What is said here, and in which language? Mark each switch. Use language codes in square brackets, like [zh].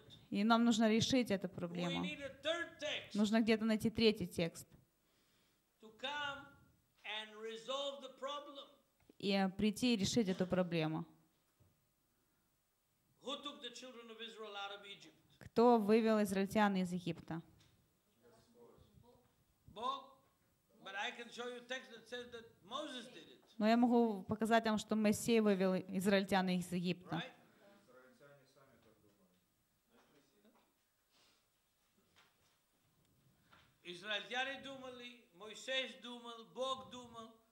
[ru] И нам нужно решить эту проблему. Нужно где-то найти третий текст. [en] Come and resolve the problem. [ru] И прийти и решить эту проблему. [en] Who took the children of Israel out of Egypt? [ru] Кто вывел израильтян из Египта? Бог. [en] But I can show you text that says that Moses did it. [ru] Но я могу показать вам, что Моисей вывел израильтян из Египта. Right? Израильтяне думали, Моисей думал, Бог думал.